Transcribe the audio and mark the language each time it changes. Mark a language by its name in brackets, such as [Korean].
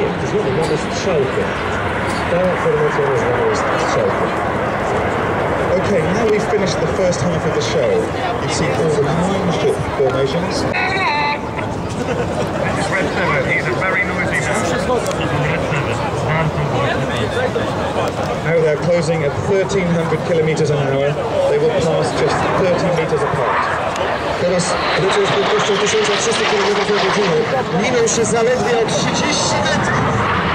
[Polish] Znowu mamy strzałkę. Ta formacja nazwana jest strzałką. [English] OK, Okay, now we've finished the first half of the show. You've seen all the nine ship formations. It's Red Feather, he's a very noisy man. Now they're closing at 1300 kilometers an hour. They will pass just 30 meters apart. [Polish] Teraz lecą z prędkością 1300 km na godzinę. Miną się zaledwie o 30 metrów.